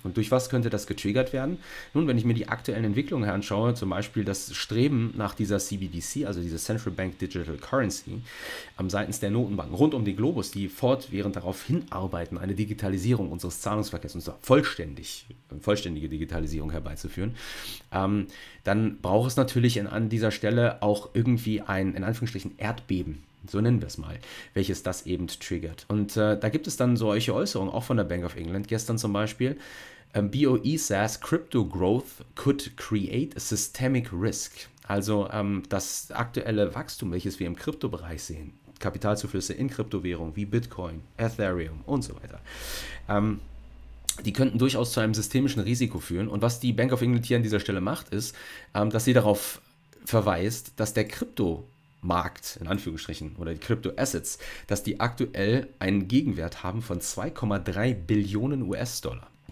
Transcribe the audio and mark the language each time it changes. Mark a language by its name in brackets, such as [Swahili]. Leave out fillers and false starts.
[German] Und durch was könnte das getriggert werden? Nun, wenn ich mir die aktuellen Entwicklungen anschaue, zum Beispiel das Streben nach dieser CBDC, also diese Central Bank Digital Currency, seitens der Notenbanken rund um den Globus, die fortwährend darauf hinarbeiten, eine Digitalisierung unseres Zahlungsverkehrs, und zwar vollständige Digitalisierung herbeizuführen, dann braucht es natürlich an dieser Stelle auch irgendwie ein, in Anführungsstrichen, Erdbeben, so nennen wir es mal, welches das eben triggert. Und da gibt es dann solche Äußerungen, auch von der Bank of England gestern zum Beispiel. [English] BOE says crypto growth could create a systemic risk. [German] Also das aktuelle Wachstum, welches wir im Kryptobereich sehen, Kapitalzuflüsse in Kryptowährungen wie Bitcoin, Ethereum und so weiter. Die könnten durchaus zu einem systemischen Risiko führen. Und was die Bank of England hier an dieser Stelle macht, ist, dass sie darauf verweist, dass der Kryptomarkt, in Anführungsstrichen, oder die Kryptoassets, dass die aktuell einen Gegenwert haben von 2,3 Billionen US-Dollar.